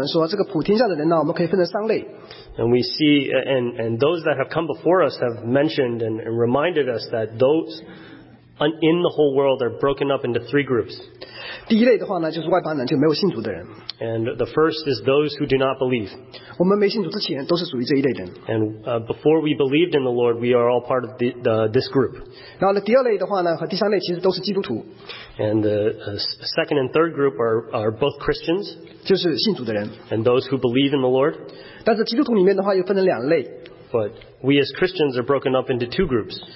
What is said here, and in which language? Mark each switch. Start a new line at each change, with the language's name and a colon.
Chinese: 然后呢，有前面读经的弟兄们告诉我们说，这个普天下的人呢，我们可以分成三类。
English: And we see and those that have come before us have mentioned and reminded us that those in the whole world are broken up into three groups.
Chinese: 第一类的话呢，就是外邦人，就没有信主的人。
English: And the first is those who do not believe.
Chinese: 我们没信主之前都是属于这一类人。
English: And before we believed in the Lord, we are all part of this group.
Chinese: 然后呢，第二类的话呢，和第三类其实都是基督徒。
English: And the second and third group are both Christians.
Chinese: 就是信主的人。
English: And those who believe in the Lord.
Chinese: 但是基督徒里面的话又分成两类。
English: But we as Christians are broken up into two groups.